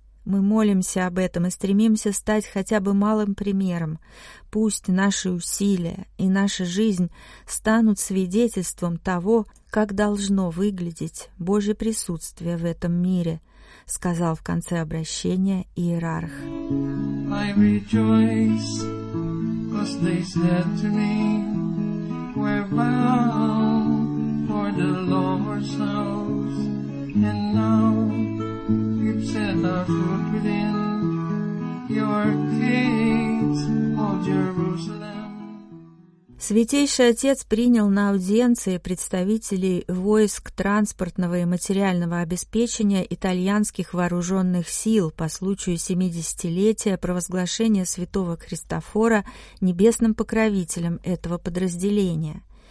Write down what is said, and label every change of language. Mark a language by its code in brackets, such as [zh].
[ru] Мы молимся об этом и стремимся стать хотя бы малым примером. Пусть наши усилия и наша жизнь станут свидетельством того, как должно выглядеть Божье присутствие в этом мире, сказал в конце обращения иерарх. [en] I rejoice, 'cause they said to me, we're bound for the Lord's house, and now you've set our foot within your gates, O Jerusalem. [ru] Святейший Отец принял на аудиенции представителей войск транспортного и материального обеспечения итальянских вооруженных сил по случаю 70-летия провозглашения святого Христофора небесным покровителем этого подразделения.